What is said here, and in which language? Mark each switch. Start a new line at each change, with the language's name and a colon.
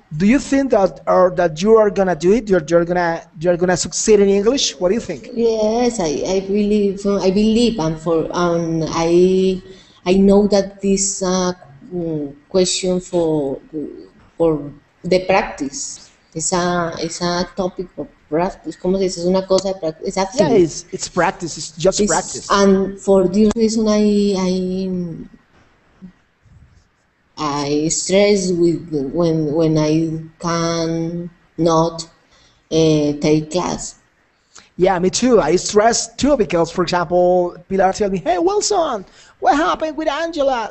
English: Do you think that you are gonna do it? You're gonna succeed in English? What do you think? Yes, I believe, and I know that this question for the practice,
Spanish: esa
English: topic of practice,
Spanish: ¿cómo se dice? Es una cosa de practice. Esa
English: thing. Yeah, it's practice. It's just it's, practice. And for this reason, I stress with when I can not take class. Yeah, me too. I stress too because, for example, Pilar tell me, "Hey, Wilson, what happened with Angela?"